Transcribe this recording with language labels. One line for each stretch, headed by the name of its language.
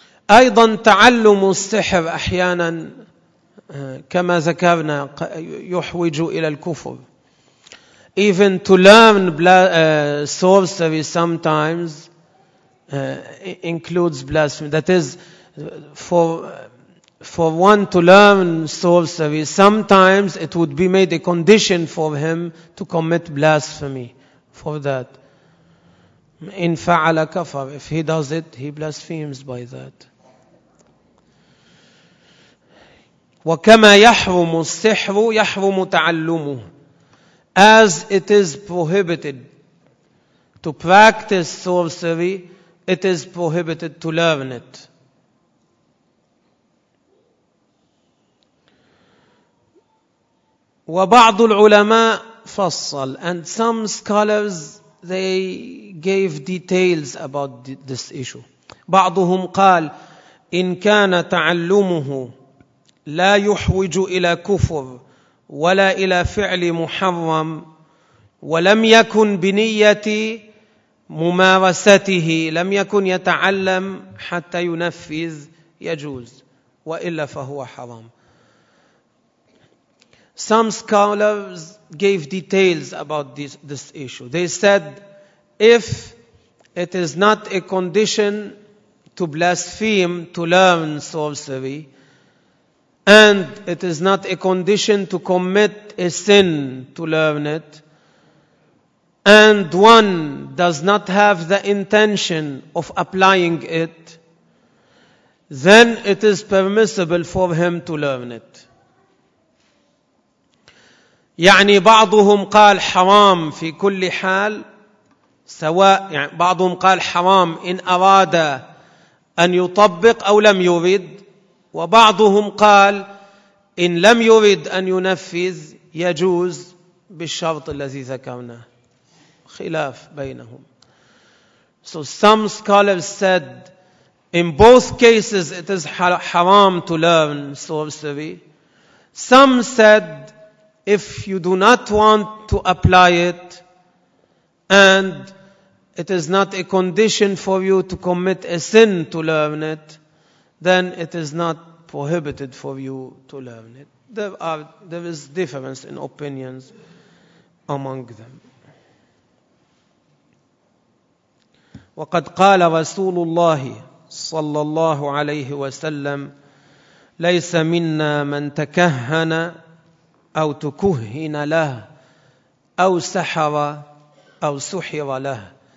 Arabic: أيضا تعلم السحر أحيانا كما ذكرنا يحوج إلى الكفر.
English: Even to learn sorcery sometimes includes blasphemy. That is, for one to learn sorcery, sometimes it would be made a condition for him to commit blasphemy for that.
Arabic: إن فعل كفر.
English: If he does it, he blasphemes by that.
Arabic: وكما يحرم السحر يحرم تعلمه.
English: As it is prohibited to practice sorcery, it is prohibited to learn it.
Arabic: وبعض العلماء فصل.
English: And some scholars, they gave details about this issue.
Arabic: بعضهم قال إن كان تعلمه لا يحوج إلى كفر ولا إلى فعل محرم ولم يكن بنية ممارسته، لم يكن يتعلم حتى ينفذ، يجوز، وإلا فهو حرام.
English: Some scholars gave details about this issue. They said, if it is not a condition to blaspheme, to learn sorcery, and it is not a condition to commit a sin to learn it, and one does not have the intention of applying it, then it is permissible for him to learn it.
Arabic: يعني بعضهم قال حرام في كل حال، سواء يعني بعضهم قال حرام إن أراد أن يطبق أو لم يريد، وبعضهم قال إن لم يريد أن ينفذ يجوز بالشرط الذي ذكرناه. خلاف بينهم.
English: So some scholars said in both cases it is haram to learn sorcery. Some said if you do not want to apply it and it is not a condition for you to commit a sin to learn it, then it is not prohibited for you to learn it. There is difference in opinions among them.
Arabic: وقد قال رسول الله صلى الله عليه وسلم ليس منا من تكهن أو تكهن له أو سحر أو سحر له.